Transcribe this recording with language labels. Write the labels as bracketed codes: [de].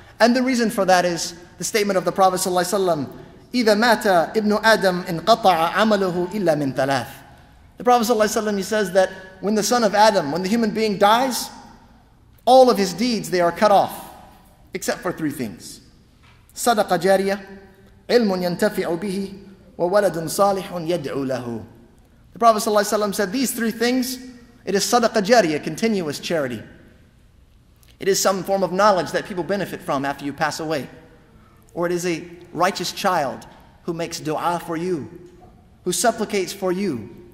[en] And the reason for that is the statement of the Prophet sallallahu alaihi wasallam, [ar] إذا مات ابن آدم انقطع عمله إلا من ثلاث. [en] The Prophet ﷺ, he says that when the son of Adam, when the human being dies, all of his deeds, they are cut off, except for three things. [ar] صدق جارية علم ينتفع به وولد صالح يدعو له. [en] The Prophet ﷺ said these three things. It is صدق جارية, continuous charity. It is some form of knowledge that people benefit from after you pass away. Or it is a righteous child who makes dua for you, who supplicates for you.